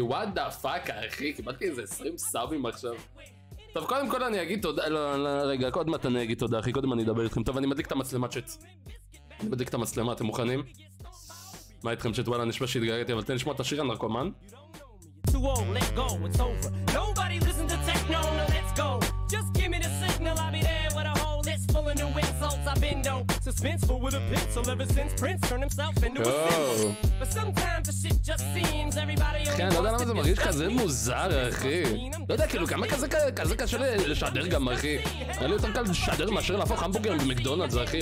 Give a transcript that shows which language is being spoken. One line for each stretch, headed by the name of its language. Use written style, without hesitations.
Hebrew: וואט דה פאק, אחי, קיבלתי איזה 20 סאבים עכשיו. טוב, קודם כל אני אגיד תודה, לא, רגע, קודם מתן אני אגיד תודה, אחי, קודם אני אדבר איתכם. טוב, אני מדליק את המצלמה, צ'ט. אני מדליק את המצלמה, אתם מוכנים? מה איתכם, צ'ט? וואלה, נשמע שהתגעגעתי, אבל תן לשמוע את השיר, הנרקומן.
English: Too old, let go, it's over. Nobody listen to techno, now let's go. Just give me the signal, I'll be there with a whole list full of new insults. I've been no suspenseful with a pencil ever since Prince turned himself into a symbol. But sometimes the shit just seems everybody only wants to discuss me.
Hebrew: זה מרגיש כזה מוזר, אחי. לא יודע, כאילו, כמה כזה קשה לשדר גם, אחי. היה לי יותר קל לשדר מאשר להפוך המבורגר במקדונלדס, אחי.